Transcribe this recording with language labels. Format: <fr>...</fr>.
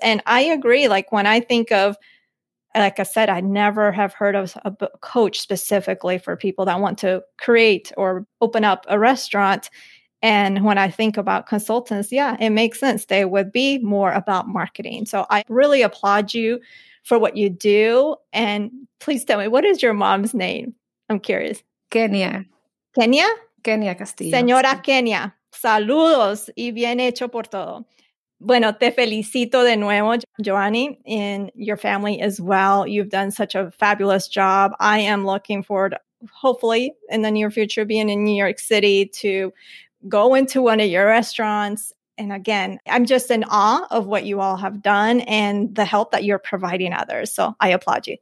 <en>And I agree, like when I think of, like I said, I never have heard of a coach specifically for people that want to create or open up a restaurant. And when I think about consultants, yeah, it makes sense. They would be more about marketing. So I really applaud you for what you do. And please tell me, what is your mom's name? I'm curious. Kenya. Kenya? Kenya Castillo.</en> <es>Señora Kenya, saludos y bien hecho por todo. Bueno, te felicito de nuevo, Joanny,</es> <en>and your family as well. You've done such a fabulous job. I am looking forward, hopefully in the near future, being in New York City to go into one of your restaurants. And again, I'm just in awe of what you all have done and the help that you're providing others. So I applaud you.</en>